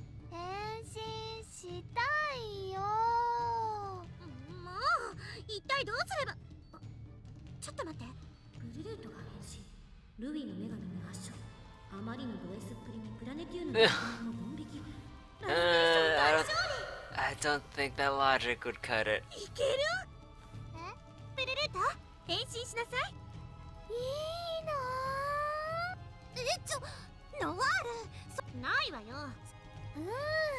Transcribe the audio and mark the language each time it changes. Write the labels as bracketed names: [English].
[Japanese] 変身したいよ。もう一体どうすれば。ちょっと待って、ブルルートが変身、ルビーの女神に発射、あまりのドエスっぷりにプラネテューヌの反応ボン引き、 [English] I don't think that logic would cut it. [Japanese] いける？ブルルート、変身しなさい。いいなぁ。え、ちょ、ノワール、ないわよ。